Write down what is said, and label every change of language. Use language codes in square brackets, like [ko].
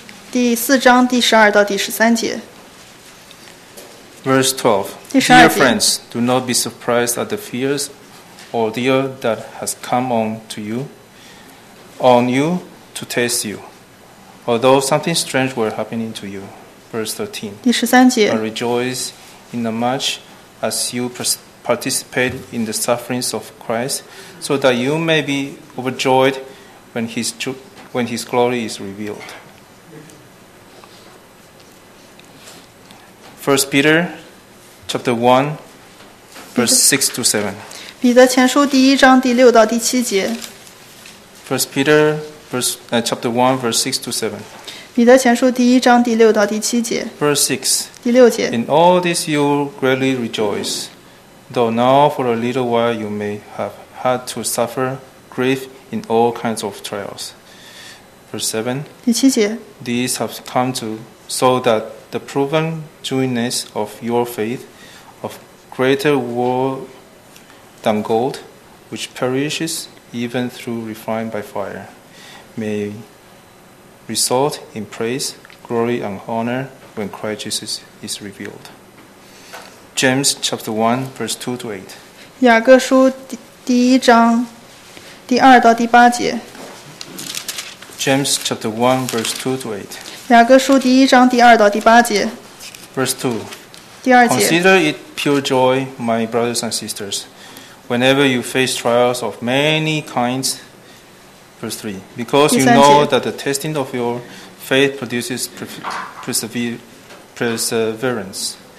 [zh] 第四章第十二到第十三节。 [en] Verse 12. Dear friends, do not be surprised at the fierce ordeal that has come on you to test you. Although something strange were happening to you. Verse 13. [zh] 第十三节。 [en] But rejoice in the much as you participate in the sufferings of Christ, so that you may be overjoyed when his glory is revealed. 1 Peter chapter 1, verse 6 to 7. [zh] 彼得前书第一章第六到第七节。 [en] First Peter chapter 1, verse 6 to 7. [zh] 彼得前书第一章第六到第七节。 [en] Verse 6. [zh] 第六节。 [en] In all this you greatly rejoice, though now for a little while you may have had to suffer grief in all kinds of trials. Verse 7. [zh] 第七节。 [en] These have come to so that the proven genuineness of your faith of greater worth than gold, which perishes even through refined by fire, may result in praise, glory, and honor when Christ Jesus is revealed. James chapter 1, verse 2 to 8. [zh] 雅各书第一章第二到第八节。 [en] James chapter 1, verse 2 to 8. [zh] 雅各书第一章第二到第八节。 [en] Verse 2. [zh] 第二节。 [en] Consider it pure joy, my brothers and sisters. Whenever you face trials of many kinds, verse 3, because you know that the testing of your faith produces perseverance.